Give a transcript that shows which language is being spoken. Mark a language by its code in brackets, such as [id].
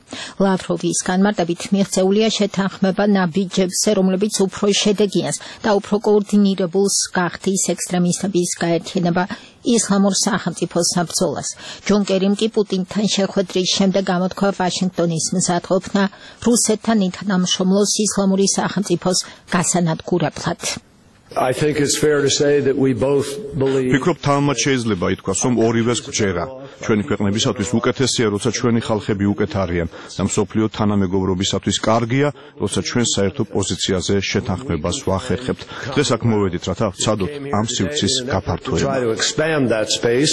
[ka] ლავროვის განმარტებით მიღწეულია შეთანხმება ნაბიჯებზე, რომლებიც უფრო შედეგიანს და უფრო კოორდინირებულს გახდის ექსტრემისტების გაერთიანება ისლამურ სახელმწიფო საბრძოლას. ჯონ კერიმ კი პუტინთან შეხვედრის შემდეგ გამოთქვა ვაშინგტონის მზადყოფნა რუსეთთან ითანამშრომლოს ისლამური სახელმწიფოს გასანადგურებლად. [en] I think it's fair to say that we both believe. [ka] ფიქრობ, თამამად შეიძლება ითქვას, რომ ორივეს გჯერა. ჩვენი ქვეყნებისათვის უკეთესია, როცა ჩვენი ხალხები უკეთ არიან, და მსოფლიო თანამეგობრობისათვის კარგია, როცა ჩვენ საერთო პოზიციაზე შეთანხმებას ვახერხებთ. დღეს აქ მოვედით, რათა ვცადოთ ამ სივრცის გაფართოება.